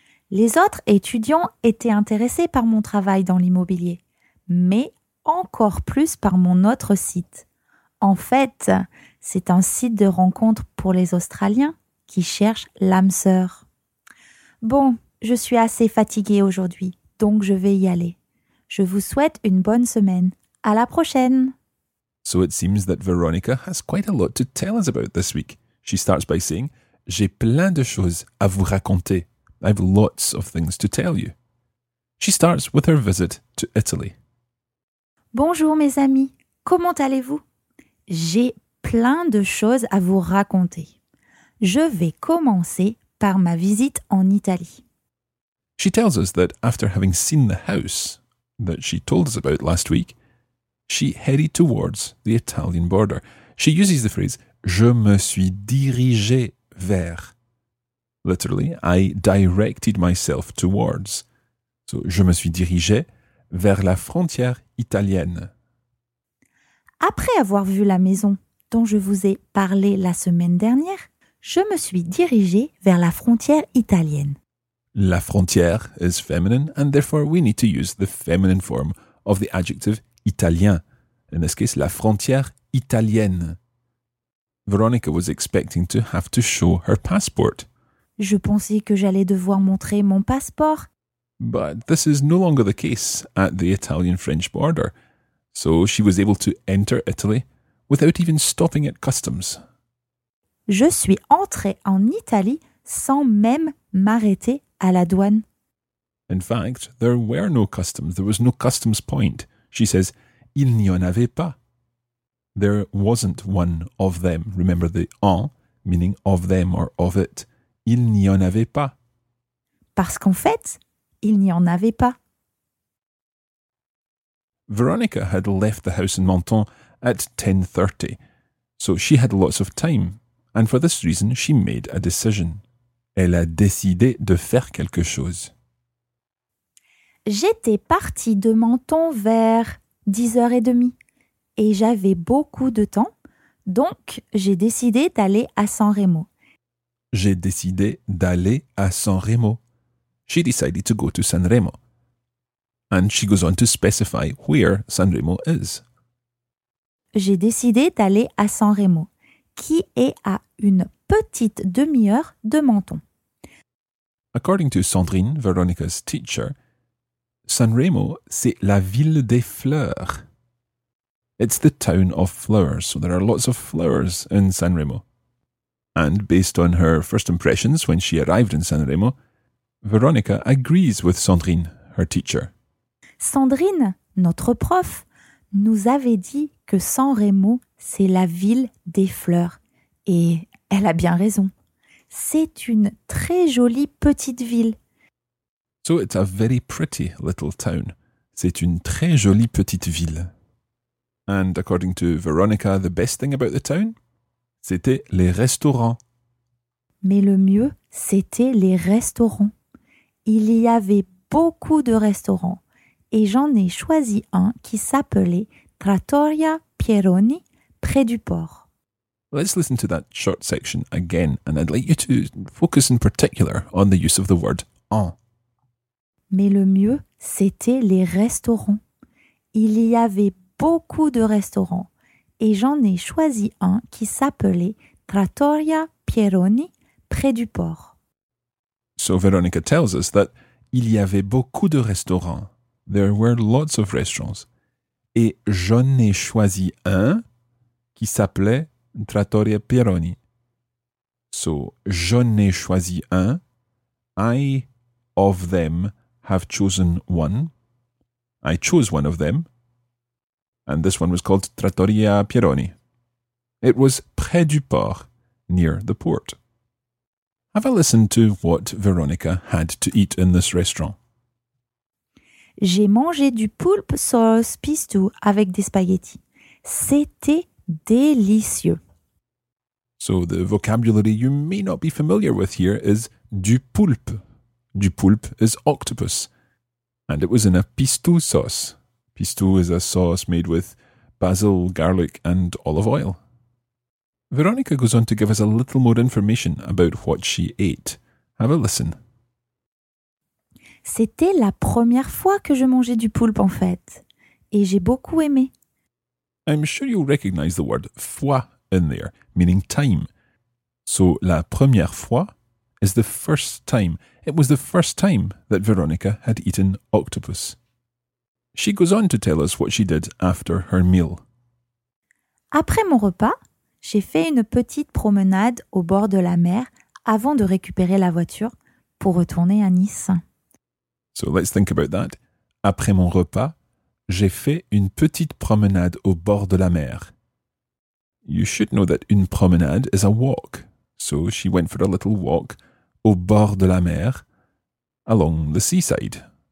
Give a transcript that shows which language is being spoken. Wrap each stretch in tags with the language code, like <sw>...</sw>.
<fr>Les autres étudiants étaient intéressés par mon travail dans l'immobilier, mais encore plus par mon autre site. En fait, c'est un site de rencontre pour les Australiens qui cherche l'âme sœur. Bon, je suis assez fatiguée aujourd'hui, donc je vais y aller. Je vous souhaite une bonne semaine. À la prochaine!</fr> <en>So it seems that Veronica has quite a lot to tell us about this week. She starts by saying,</en> <fr>j'ai plein de choses à vous raconter.</fr> <en>I have lots of things to tell you. She starts with her visit to Italy.</en> <fr>Bonjour mes amis, comment allez-vous? J'ai plein de choses à vous raconter. Je vais commencer par ma visite en Italie.</fr> <en>She tells us that after having seen the house that she told us about last week, she headed towards the Italian border. She uses the phrase,</en> <fr>je me suis dirigé vers.</fr> <en>Literally, I directed myself towards.</en> <fr>So, je me suis dirigé vers la frontière italienne. Après avoir vu la maison dont je vous ai parlé la semaine dernière, je me suis dirigé vers la frontière italienne.</fr> <en>La frontière is feminine and therefore we need to use the feminine form of the adjective italien. In this case,</en> <fr>la frontière italienne.</fr> <en>Veronica was expecting to have to show her passport.</en> <fr>Je pensais que j'allais devoir montrer mon passeport.</fr> <en>But this is no longer the case at the Italian-French border. So she was able to enter Italy without even stopping at customs.</en> <fr>Je suis entrée en Italie sans même m'arrêter à la douane.</fr> <en>In fact, there were no customs. There was no customs point. She says,</en> <fr>il n'y en avait pas.</fr> <en>There wasn't one of them. Remember the en, meaning of them or of it.</en> <fr>Il n'y en avait pas. Parce qu'en fait, il n'y en avait pas.</fr> <en>Veronica had left the house in Menton at 10:30, so she had lots of time, and for this reason she made a decision.</en> <fr>Elle a décidé de faire quelque chose. J'étais partie de Menton vers 10h30, et j'avais beaucoup de temps, donc j'ai décidé d'aller à San Remo. J'ai décidé d'aller à San Remo.</fr> <en>She decided to go to San Remo. And she goes on to specify where San Remo is.</en> <fr>J'ai décidé d'aller à San Remo, qui est à une petite demi-heure de Menton.</fr> <en>According to Sandrine, Veronica's teacher,</en> <fr>San Remo, c'est la ville des fleurs.</fr> <en>It's the town of flowers, so there are lots of flowers in San Remo. And based on her first impressions when she arrived in San Remo, Veronica agrees with Sandrine, her teacher.</en> <fr>Sandrine, notre prof, nous avait dit que San Remo, c'est la ville des fleurs. Et elle a bien raison. C'est une très jolie petite ville.</fr> <en>So it's a very pretty little town.</en> <fr>C'est une très jolie petite ville.</fr> <en>And according to Veronica, the best thing about the town,</en> <fr>c'était les restaurants. Mais le mieux, c'était les restaurants. Il y avait beaucoup de restaurants. Et j'en ai choisi un qui s'appelait Trattoria Pieroni, près du port.</fr> <en>Let's listen to that short section again, and I'd like you to focus in particular on the use of the word en.</en> <fr>Mais le mieux, c'était les restaurants. Il y avait beaucoup de restaurants, et j'en ai choisi un qui s'appelait Trattoria Pieroni, près du port.</fr> <en>So Veronica tells us that</en> <fr>il y avait beaucoup de restaurants.</fr> <en>There were lots of restaurants.</en> <fr>Et j'en ai choisi un qui s'appelait Trattoria Pieroni. So, j'en ai choisi un.</fr> <en>I, of them, have chosen one. I chose one of them. And this one was called Trattoria Pieroni. It was</en> <fr>près du port,</fr> <en>near the port. Have a listen to what Veronica had to eat in this restaurant.</en> <fr>J'ai mangé du poulpe sauce pisto avec des spaghettis. C'était délicieux.</fr> <en>So the vocabulary you may not be familiar with here is</en> <fr>du poulpe. Du poulpe</fr> <en>is octopus. And it was in a pisto sauce. Pisto is a sauce made with basil, garlic and olive oil. Veronica goes on to give us a little more information about what she ate. Have a listen.</en> <fr>C'était la première fois que je mangeais du poulpe, en fait. Et j'ai beaucoup aimé.</fr> <en>I'm sure you'll recognize the word fois in there, meaning time. So,</en> <fr>la première fois</fr> <en>is the first time. It was the first time that Veronica had eaten octopus. She goes on to tell us what she did after her meal.</en> <fr>Après mon repas, j'ai fait une petite promenade au bord de la mer avant de récupérer la voiture pour retourner à Nice.</fr> <en>So let's think about that.</en> <fr>Après mon repas, j'ai fait une petite promenade au bord de la mer.</fr> <en>You should know that</en> <fr>une promenade</fr> <en>is a walk. So she went for a little walk</en> <fr>au bord de la mer,</fr> <en>along the seaside.</en>